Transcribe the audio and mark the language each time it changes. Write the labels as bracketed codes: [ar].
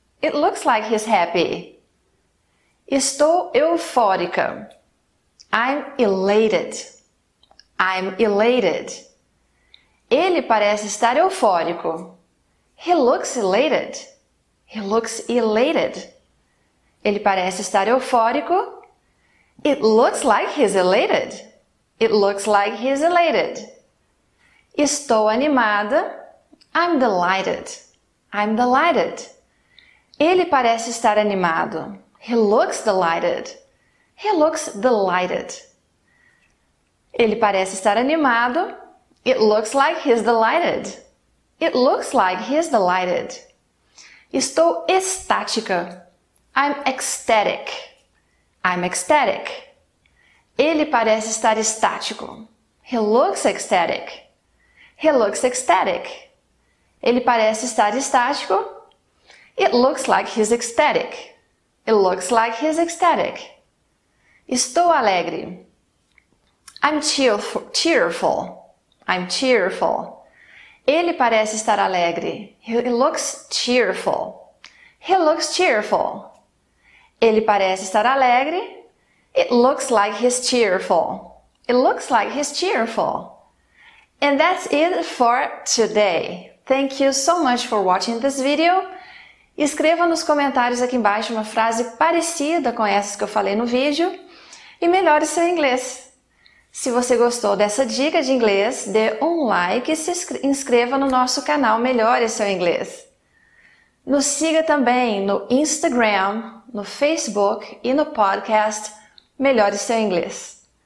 [en] It looks like he's happy. [pt] Estou eufórica. [en] I'm elated. I'm elated. [pt] Ele parece estar eufórico. [en] He looks elated. He looks elated. [pt] Ele parece estar eufórico. [en] It looks like he's elated. It looks like he's elated. [pt] Estou animada. [en] I'm delighted. I'm delighted. [pt] Ele parece estar animado. [en] He looks delighted. He looks delighted. [pt] Ele parece estar animado. [en] It looks like he's delighted. It looks like he's delighted. [pt] Estou estática. [en] I'm ecstatic. I'm ecstatic. [pt] Ele parece estar estático. [en] He looks ecstatic. He looks ecstatic. [pt] Ele parece estar estático. [en] It looks like he's ecstatic. It looks like he's ecstatic. [pt] Estou alegre. [en] I'm cheerful. I'm cheerful. [pt] Ele parece estar alegre. [en] He looks cheerful. He looks cheerful. [pt] Ele parece estar alegre. [en] It looks like he's cheerful. It looks like he's cheerful. And that's it for today. Thank you so much for watching this video. [pt] Escreva nos comentários aqui embaixo uma frase parecida com essas que eu falei no vídeo e melhore seu inglês. Se você gostou dessa dica de inglês, dê um like e se inscreva no nosso canal Melhore Seu Inglês. Nos siga também no Instagram, no Facebook e no podcast Melhore Seu Inglês.